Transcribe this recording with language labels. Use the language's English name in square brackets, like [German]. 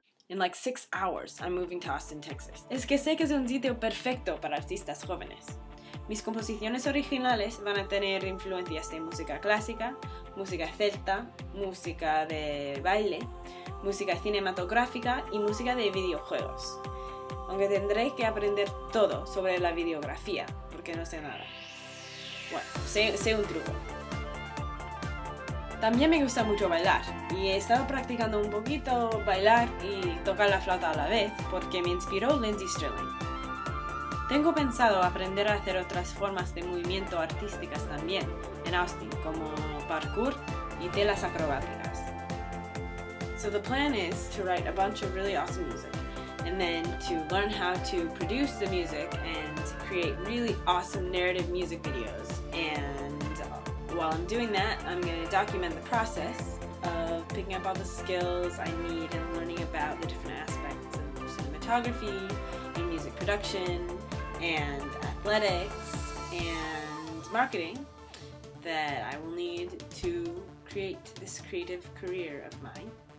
[English] In like 6 hours, I'm moving to Austin, Texas. [Spanish] Es que sé que es un sitio perfecto para artistas jóvenes. Mis composiciones originales van a tener influencias de música clásica, música celta, música de baile, música cinematográfica y música de videojuegos. Aunque tendré que aprender todo sobre la videografía, porque no sé nada. Bueno, sé un truco. También me gusta mucho bailar, y he estado practicando un poquito bailar y tocar la flauta a la vez, porque me inspiró Lindsey Stirling. Tengo pensado aprender a hacer otras formas de movimiento artísticas también en Austin, como parkour y telas acrobáticas. [English] So the plan is to write a bunch of really awesome music, and then to learn how to produce the music and create really awesome narrative music videos. And while I'm doing that, I'm going to document the process of picking up all the skills I need and learning about the different aspects of cinematography and music production and athletics and marketing that I will need to create this creative career of mine.